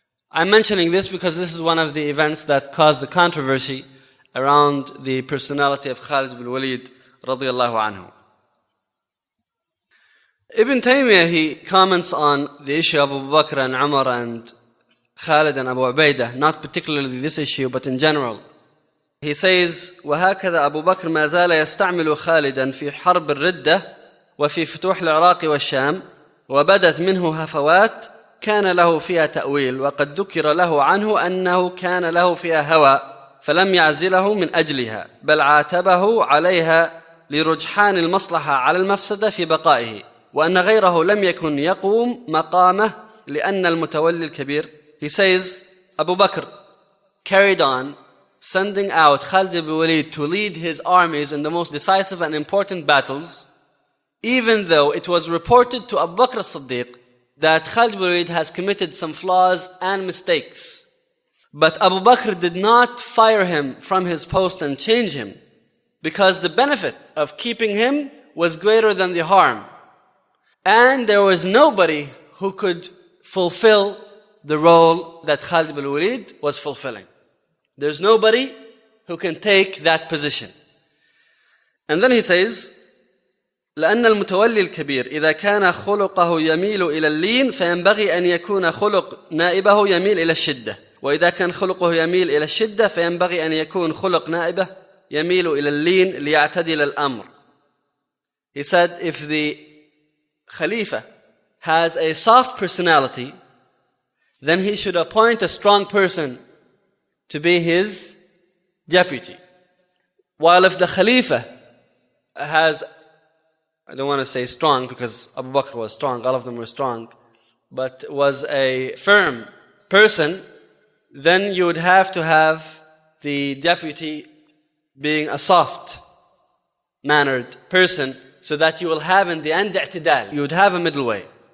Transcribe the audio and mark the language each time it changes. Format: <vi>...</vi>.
<en>I'm mentioning this because this is one of the events that caused the controversy around the personality of Khalid ibn Walid radiallahu anhu. Ibn Taymiyyah, he comments on the issue of Abu Bakr and Umar and Khalid and Abu Ubaidah, not particularly this issue, but in general. He says,</en> <ar>وَهَكَذَا أَبُو بَكْرَ مَا زَالَ يَسْتَعْمِلُ خَالِدًا فِي حَرْبِ الرِّدَّةِ وَفِي فُتُوحِ الْعِرَاقِ وَالشَّامِ وَبَدَتْ مِنْهُ هَفَوَاتٍ كان له فيها تأويل وقد ذكر له عنه أنه كان له فيها هوى فلم يعزله من أجلها بل عاتبه عليها لرجحان المصلحة على المفسدة في بقائه وأن غيره لم يكن يقوم مقامه لأن المتولي الكبير.</ar> <en>He says, Abu Bakr carried on sending out Khalid ibn Walid to lead his armies in the most decisive and important battles, even though it was reported to Abu Bakr as-Siddiq that Khalid ibn Walid has committed some flaws and mistakes. But Abu Bakr did not fire him from his post and change him, because the benefit of keeping him was greater than the harm. And there was nobody who could fulfill the role that Khalid ibn Walid was fulfilling. There's nobody who can take that position. And then he says,</en> <ar>لأن المتولي الكبير إذا كان خلقه يميل إلى اللين فينبغي أن يكون خلق نائبه يميل إلى الشدة وإذا كان خلقه يميل إلى الشدة فينبغي أن يكون خلق نائبه يميل إلى اللين ليعتدل الأمر.</ar> <en>He said, if the Khalifa has a soft personality, then he should appoint a strong person to be his deputy. While if the Khalifa has, I don't want to say strong because Abu Bakr was strong, all of them were strong, but was a firm person, then you would have to have the deputy being a soft-mannered person so that you will have in the end i'tidal, you would have a middle way.</en>